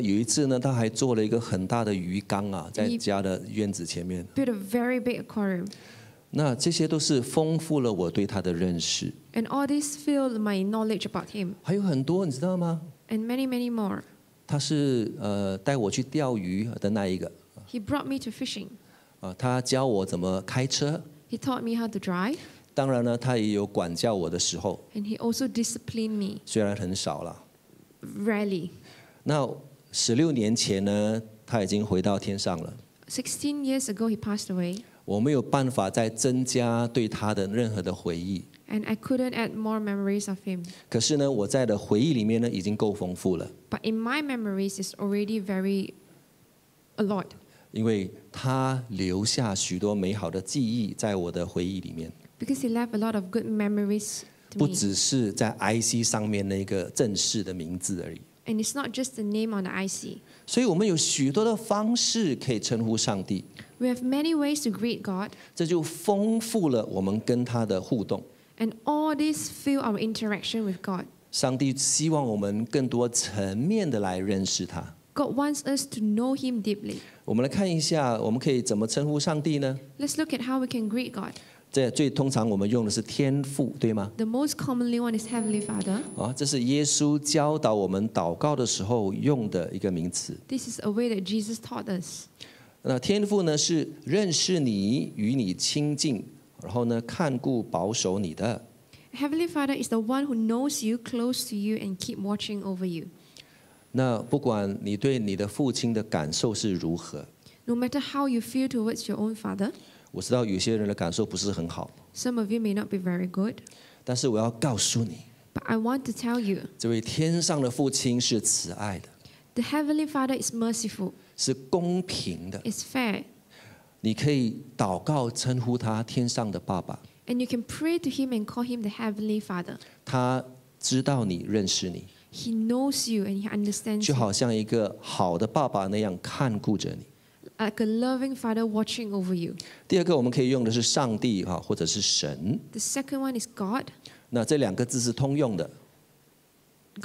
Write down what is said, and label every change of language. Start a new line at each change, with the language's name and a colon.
Chinese: 有一次呢，他还做了一个很大的鱼缸啊，在家的院子前面。
English: Built a very big aquarium.
Chinese: 那这些都是丰富了我对他的认识。
English: And all this filled my knowledge about him.
Chinese: 还有很多，你知道吗
English: ？And many, many more.
Chinese: 他是带我去钓鱼的那一个。
English: He brought me to fishing.
Chinese: 他教我怎么开车。
English: He taught me how to drive.
Chinese: 当然呢，他也有管教我的时候。
English: And he also disciplined me.
Chinese: 虽然很少了。
English: Rarely.
Chinese: 那16年前呢，他已经回到天上了。
English: 16 years ago, he passed away.
Chinese: 我没有办法再增加对他的任何的回忆。
English: And I couldn't add more memories of him.
Chinese: 可是呢，我在的回忆里面呢，已经够丰富了。
English: But in my memories, it's already very a lot.
Chinese: 因为他留下许多美好的记忆在我的回忆里面。
English: Because he left a lot of good memories.
Chinese: 不只是在 IC 上面那个正式的名字而已。
English: And it's not just the name on the IC.
Chinese: 所以我们有许多的方式可以称呼上帝。
English: We have many ways to greet God.
Chinese: 这就丰富了我们跟他的互动。
English: And all this fill our interaction with God.
Chinese: 上帝希望我们更多层面的来认识他。
English: God wants us to know Him deeply.
Chinese: 我们来看一下，我们可以怎么称呼上帝呢
English: ？Let's look at how we can greet God.
Chinese: 这最通常我们用的是天父，对吗
English: ？The most commonly one is Heavenly Father.
Chinese: 这是耶稣教导我们祷告的时候用的一个名词。
English: This is a way that Jesus taught us.
Chinese: 那天父呢，是认识你，与你亲近。然后呢，看顾保守你的。
English: Heavenly Father is the one who knows you, close to you, and keep watching over you.
Chinese: 那不管你对你的父亲的感受是如何
English: ，No matter how you feel towards your own father.
Chinese: 我知道有些人的感受不是很好。
English: Some of you may not be very good.
Chinese: 但是我要告诉你
English: ，But I want to tell you.
Chinese: 这位天上的父亲是慈爱的。
English: The Heavenly Father is merciful.
Chinese: 是公平的。
English: It's fair.
Chinese: 你可以祷告称呼他天上的爸爸。
English: And you can pray to him and call him the heavenly father.
Chinese: 他知道你，认识你。
English: He knows you and he understands.
Chinese: 就好像一个好的爸爸那样看顾着你。
English: Like a loving father watching over you.
Chinese: 第二个我们可以用的是上帝或者是神。
English: The second one is God.
Chinese: 那这两个字是通用的。
English: God.